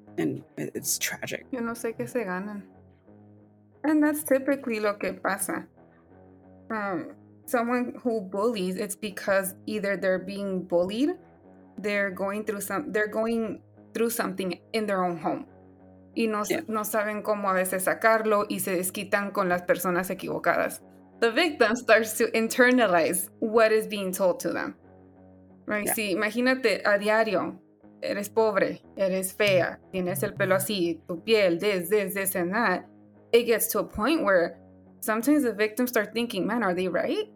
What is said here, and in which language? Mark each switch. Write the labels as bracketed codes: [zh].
[en] And it's tragic. [es] Yo no sé qué se ganan. [en] And that's typically [es] lo que pasa. [en] Someone who bullies, it's because either they're being bullied, they're going through something in their own home. [es] Y no saben cómo a veces sacarlo y se desquitan con las personas equivocadas. [en] The victim starts to internalize what is being told to them. Right? [es] Yeah. Si, imagínate a diario, eres pobre, eres fea, tienes el pelo así, tu piel, [en] this and that. It gets to a point where sometimes the victims start thinking, man, are they right?